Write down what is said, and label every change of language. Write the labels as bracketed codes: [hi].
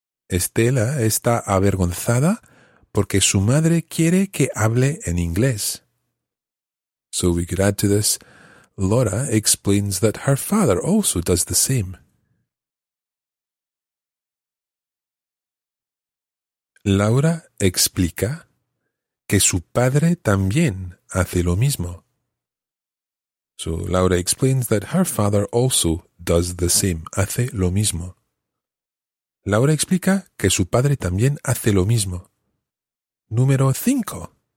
[es] Estela está avergonzada porque su madre quiere que hable en inglés. [en] So we could add to this, Laura explains that her father also does the same. [es] Laura explica que su padre también hace lo mismo. [en] So Laura explains that her father also does the same, [es] hace lo mismo. Laura explica que su padre también hace lo mismo. Número 5.